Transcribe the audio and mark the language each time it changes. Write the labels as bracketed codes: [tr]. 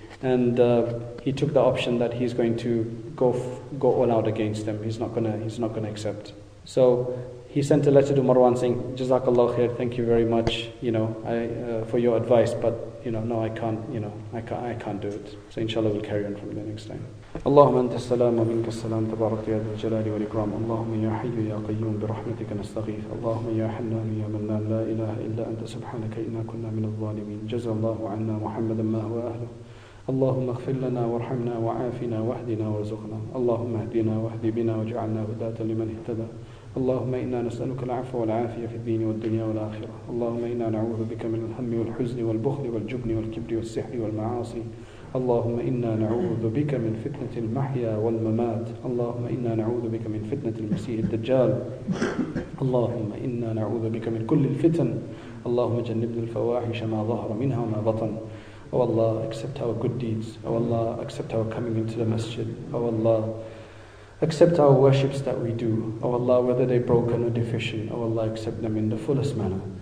[en] And he took the option that he's going to go all out against them. He's not going to accept. So he sent a letter to Marwan saying, Jazakallah khair, thank you very much, you know, for your advice. But, you know, no, I can't do it. So inshallah, we'll carry on from the next time. [ar] اللهم أنت السلام ومنك السلام تبارك يا ذا الجلال والإكرام اللهم يا حي يا قيوم برحمتك نستغيث اللهم يا حنان يا منان لا إله إلا أنت سبحانك إنا كنا من الظالمين جزى الله عنا محمدا ما هو أهله اللهم اغفر لنا وارحمنا وعافنا واهدنا وارزقنا اللهم اهدنا واهد بنا واجعلنا هداة لمن اهتدى اللهم إنا نسألك العفو والعافية في الدين والدنيا والآخرة اللهم إنا نعوذ بك من الهم والحزن والبخل والجبن والكبر والسحر والمعاصي اللهم إنا نعوذ بك من فتنة المحيا والممات اللهم إنا نعوذ بك من فتنة المسيح الدجال اللهم إنا نعوذ بك من كل الفتن اللهم جنبنا الفواحش ما ظهر منها وما بطن [en] Oh Allah, accept our good deeds. Oh Allah, accept our coming into the masjid. Oh Allah, accept our worships that we do. Oh Allah, whether they're broken or deficient, Oh Allah, accept them in the fullest manner.